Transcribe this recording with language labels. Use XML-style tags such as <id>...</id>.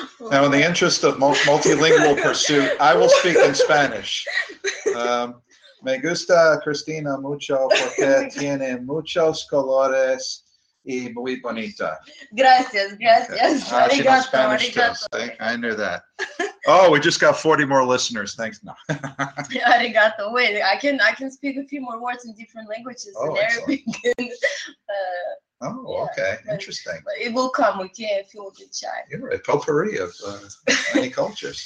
<en>Now, in the interest of multilingual pursuit, I will speak in Spanish.</en> <es>Me gusta Cristina mucho porque tiene muchos colores y muy bonita. Gracias, gracias.</es> <en>Okay. She knows Spanish too. I knew that. Oh, we just got 40 more listeners. Thanks. No.</en> <ja>Arigato.</ja> <en>Wait, I can speak a few more words in different languages. Oh, in Arabic. Okay. Interesting. But it will come, okay, if you're a bit shy. You're a potpourri of many cultures.</en>